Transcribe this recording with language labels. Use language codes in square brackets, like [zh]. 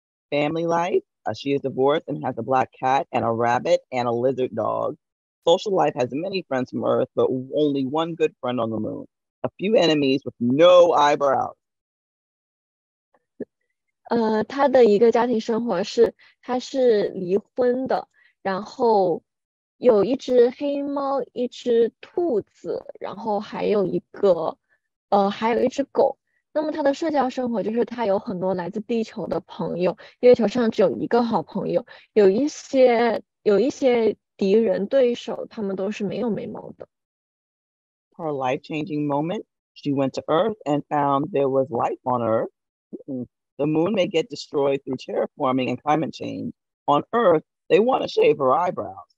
[en] Family life, she is divorced and has a black cat and a rabbit and a lizard dog. Social life has many friends from Earth, but only one good friend on the moon. A few enemies with no eyebrows. [zh] 他的一个家庭生活是，他是离婚的，然后有一只黑猫，一只兔子，然后还有一个狗。那么他的社交生活就是他有很多来自地球的朋友，月球上只有一个好朋友，有一些敌人对手，他们都是没有眉毛的。 [en] Her life-changing moment, she went to Earth and found there was life on Earth. The moon may get destroyed through terraforming and climate change. On Earth, they want to shave her eyebrows.